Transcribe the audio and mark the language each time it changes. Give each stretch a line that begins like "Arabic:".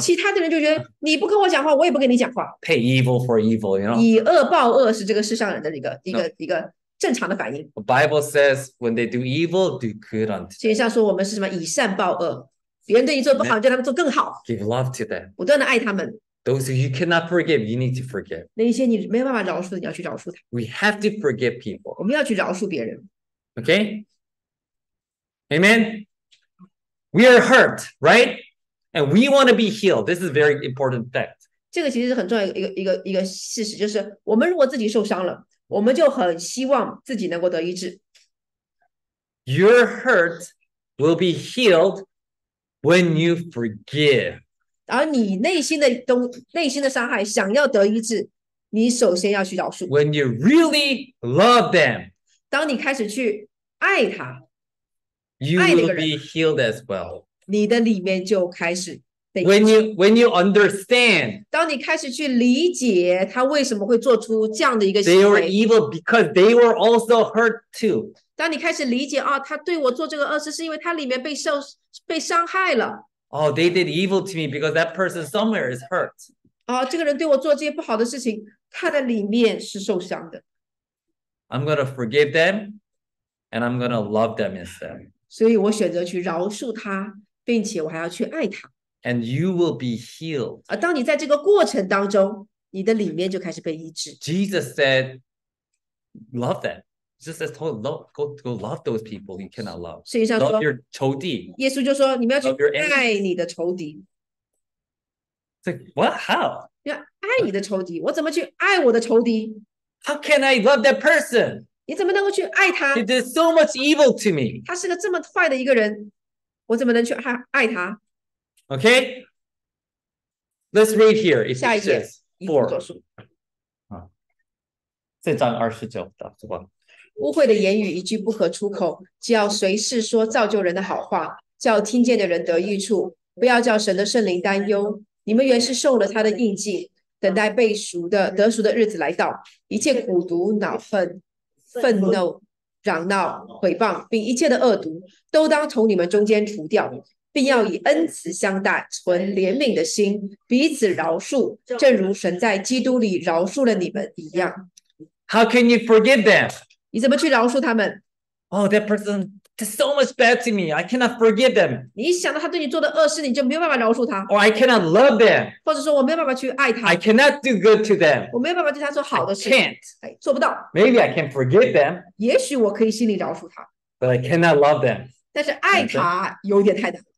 Chinese: 其他的人就觉得你不跟我讲话，我也不跟你讲话。
English: Pay evil for evil. You know.
Chinese: 以恶报恶是这个世上人的一个。正常的反应。
English: The Bible says, "When they do evil, do good unto."
Chinese: 圣经上说我们是什么？以善报恶。别人对你做不好，叫他们做更好。
English: Give love to them.
Chinese: 不断的爱他们。
English: Those who you cannot forgive, you need to forgive.
Chinese: 那一些你没有办法饶恕的，你要去饶恕他。
English: We have to forgive people.
Chinese: 我们要去饶恕别人。
English: Okay. Amen. We are hurt, right? And we want to be healed. This is a very important fact.
Chinese: 这个其实是很重要的一个事实，就是我们如果自己受伤了。我们就很希望自己能够得医治。
English: Your hurt will be healed when you forgive.
Chinese: 而你内心的伤害想要得医治，你首先要去饶恕。
English: When you really love them,
Chinese: 当你开始去爱他
English: ，you will be healed as well.
Chinese: 你的里面就开始。
English: When you understand,
Chinese: 当你开始去理解他为什么会做出这样的一个行为
English: ，they were evil because they were also hurt too.
Chinese: 当你开始理解啊，他对我做这个恶事是因为他里面被伤害了。
English: Oh, they did evil to me because that person somewhere is hurt.
Chinese: 啊，这个人对我做这些不好的事情，他的里面是受伤的。
English: I'm gonna forgive them, and I'm gonna love them instead.
Chinese: 所以我选择去饶恕他，并且我还要去爱他。
English: And you will be healed.
Chinese: 当你在这个过程当中，你的里面就开始被医治。
English: Jesus said, "Love them." Just as told, go love those people you cannot love.
Chinese: 实际上说
English: love your 仇敌。
Chinese: 耶稣就说，你们要去爱你的仇敌。
English: It's like, what? How?
Chinese: 要爱你的仇敌，我怎么去爱我的仇敌
English: ？How can I love that person?
Chinese: 你怎么能够去爱他
English: ？He did so much evil to me.
Chinese: 他是个这么坏的一个人，我怎么能去爱他？
English: Okay, let's read here. Ephesians 4.
Chinese: 这章二十九的是吧？污秽的言语一句不可出口，只要随时说造就人的好话，叫听见的人得益处，不要叫神的圣灵担忧。你们原是受了他的印记，等待被赎的得赎的日子来到。一切苦毒、恼恨、愤怒、嚷闹、毁谤，并一切的恶毒，都当从你们中间除掉。并要以恩慈相待，存怜悯的心，彼此饶恕，正如神在基督里饶恕了你们一样。
English: How can you forgive them?
Chinese: 你怎么去饶恕他们
English: ？Oh, that person did so much bad to me. I cannot forgive them.
Chinese: 你一想到他对你做的恶事，你就没有办法饶恕他。
English: Or I cannot love them.
Chinese: 或者说我没有办法去爱他。
English: I cannot do good to them.
Chinese: 我没有办法对他做好的事。
English: I can't.
Chinese: 做不到。
English: Maybe I can forgive them.
Chinese: 也许我可以心里饶恕他。
English: But I cannot love them.
Chinese: 但是爱他有点太难。